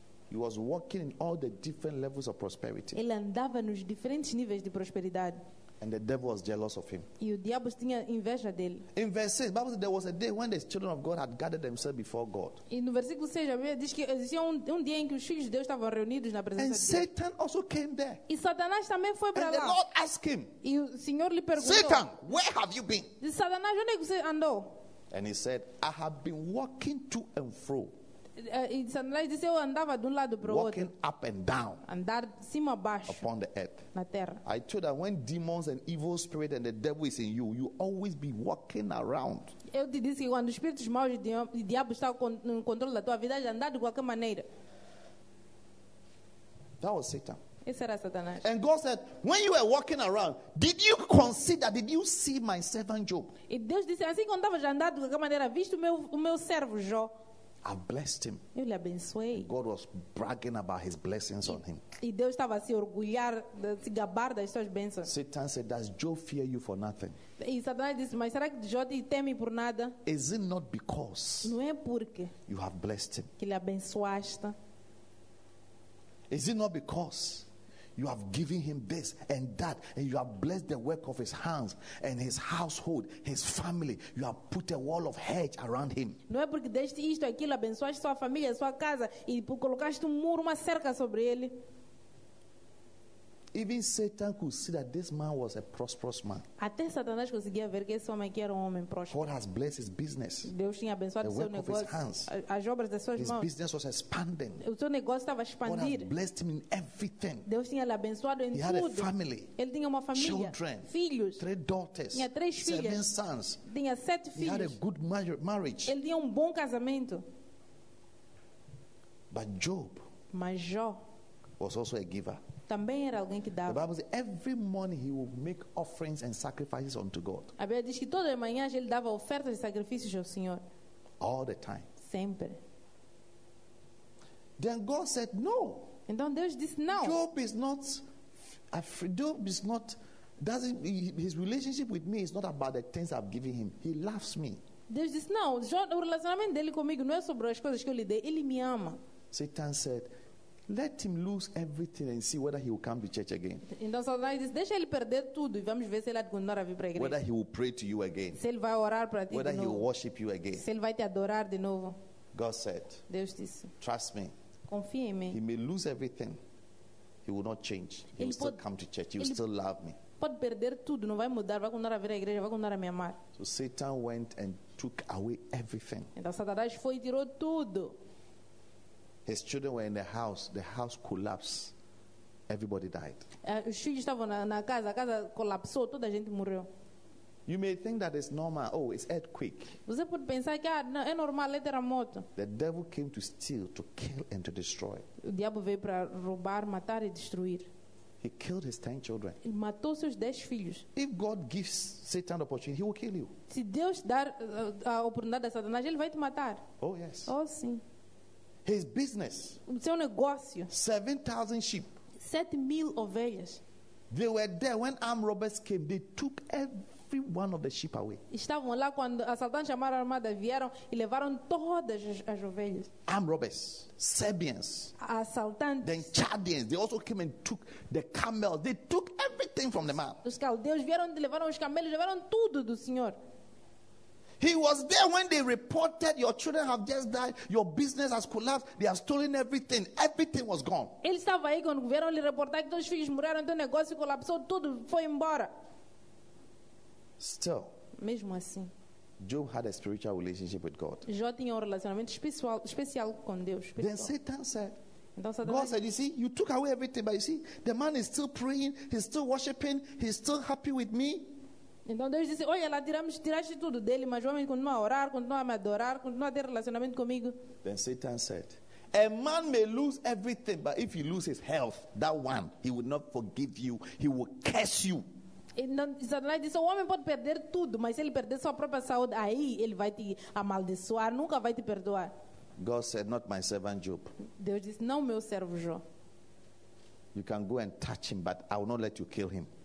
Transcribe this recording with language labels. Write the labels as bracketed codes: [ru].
[en] He was walking in all the different levels of prosperity. [pt] Ele andava nos diferentes níveis de prosperidade. [en] And the devil was jealous of him. [pt] E o diabo tinha inveja dele. [en] In verse 6, Bible says there was a day when the children of God had gathered themselves before God. [pt] E no versículo 6, a Bíblia diz que existia um dia em que os filhos de Deus estavam reunidos na presença [en] and [pt] de Deus. [en] And Satan also came there. [pt] E Satanás também foi para lá. [en] And the Lord asked him. [pt] E o Senhor lhe perguntou. [en] Satan, where have you been? [pt] E Satanás, onde é que você andou? [en] And he said, I have been walking to and fro. [pt] E eu andava de um lado para o outro. [en] Walking up and down. [pt] Andar cima a baixo. [en] Upon the earth. [pt] Na terra. [en] I told that when demons and evil spirit and the devil is in you, you always be walking around. [pt] Eu te disse que quando os espíritos maus e diabo está no controle da tua vida, andar de qualquer maneira. [en] That was Satan. [pt] Esse era Satanás. [en] And God said, when you were walking around, did you consider, did you see my servant Job? [pt] E Deus disse, assim quando estava andando de qualquer maneira, viste o meu servo Jó? [en] I blessed him. [pt] Eu lhe abençoei. [en] God was bragging about his blessings on him. [pt] E Deus estava a se orgulhar, a se gabar das suas bênçãos. [en] Satan said, does Job fear you for nothing? [pt] E Satanás disse, mas será que Jó te teme por nada? [en] Is it not because? [pt] Não é porque. [en] You have blessed him. [pt] Que lhe abençoaste. [en] Is it not because? You have given him this and that, and you have blessed the work of his hands and his household, his family. You have put a wall of hedge around him. [pt] Não é porque deste isto, aquilo, abençoaste sua família, sua casa, e colocaste muro, uma cerca sobre ele. [en] Even Satan could see that this man was a prosperous man. [pt] Até Satanás conseguia ver que esse homem aqui era um homem próspero. [en] God has blessed his business. [pt] Deus tinha abençoado seu negócio. [en] The work of his hands. [pt] As obras das suas [en] his [pt] mãos. [en] His business was expanding. [pt] O seu negócio estava a expandir. [en] God has blessed him in everything. [pt] Deus tinha lhe abençoado em tudo. [en] He had a family. [pt] Ele tinha uma família. [en] Children. [pt] Filhos. [en] 3 daughters. [pt] Tinha 3 filhas. [en] 7 sons. [pt] Tinha 7 filhos. [en] He had a good marriage. [pt] Ele tinha um bom casamento. [en] But Job. [pt] Mas Jó. [en] Was also a giver. [pt] Também era alguém que dava. [en] The Bible says every morning he would make offerings and sacrifices unto God. [pt] A Bíblia diz que toda manhã ele dava ofertas e sacrifícios ao Senhor. [en] All the time. [pt] Sempre. [en] Then God said no. [pt] Então Deus disse não. [en] Job is not afraid. Job is not. Doesn't his relationship with me is not about the things I've given him. He loves me. [pt] Deus disse não. Jó, o relacionamento dele comigo não é sobre as coisas que eu lhe dei. Ele me ama. [en] Satan said. Let him lose everything and see whether he will come to church again. [pt] Então Satanás disse, deixa ele perder tudo e vamos ver se ele vai continuar a vir para a igreja. [en] Whether he will pray to you again. [pt] Se ele vai orar para ti [en] whether [pt] de novo. [en] Whether he will worship you again. [pt] Se ele vai te adorar de novo. [en] God said. [pt] Deus disse. [en] Trust me. [pt] Confia em mim. [en] He may lose everything. He will not change. He will still come to church. He will still love me. [pt] Pode perder tudo, não vai mudar, vai continuar a vir à igreja, vai continuar a me amar. [en] So Satan went and took away everything. [pt] Então Satanás foi e tirou tudo. [en] His children were in the house. The house collapsed. Everybody died. [pt] Os filhos estavam na casa. A casa colapsou. Toda a gente morreu. [en] You may think that it's normal. Oh, it's earthquake. [pt] Você pode pensar que é normal, é terremoto. [en] The devil came to steal, to kill, and to destroy. [pt] O diabo veio para roubar, matar e destruir. [en] He killed his 10 children. [pt] Ele matou seus 10 filhos. [en] If God gives Satan the opportunity, he will kill you. [pt] Se Deus dar a oportunidade a Satanás, ele vai te matar. [en] Oh, yes. [pt] Oh, sim. [en] His business. [pt] O seu negócio. [en] 7,000 sheep. [pt] 7,000 ovelhas. [en] They were there when armed robbers came. They took every one of the sheep away. [pt] Estavam lá quando assaltantes chamaram a armada, vieram e levaram todas as ovelhas. [en] Armed robbers, Serbians. [pt] Assaltantes. [en] Then Chadians. They also came and took the camels. They took everything from the man. [pt] Os caldeus vieram e levaram os camelos, levaram tudo do Senhor. [en] He was there when they reported your children have just died, your business has collapsed, they have stolen everything. Everything was gone. [pt] Ele estava aí quando vieram lhe reportar que todos os filhos morreram, teu negócio colapsou, tudo foi embora. [en] Still. [pt] Mesmo assim. [en] Job had a spiritual relationship with God. [pt] Jó tinha um relacionamento especial com Deus. Espiritual. [en] Then Satan said. [pt] Então, Satanás, [en] God said, you see, you took away everything, but you see, the man is still praying, he's still worshiping, he's still happy with me. [pt] Então Deus disse, olha, ela tiraste tudo dele, mas o homem continua a orar, continua a me adorar, continua a ter relacionamento comigo. [en] Then Satan said, a man may lose everything, but if he loses his health, that one, he will not forgive you, he will curse you. [pt] Então Satanás disse, o homem pode perder tudo, mas se ele perder sua própria saúde, aí ele vai te amaldiçoar, nunca vai te perdoar. [en] God said, not my servant Job. [pt] Deus disse, não meu servo Jó. [en] You can go and touch him, but I will not let you kill him.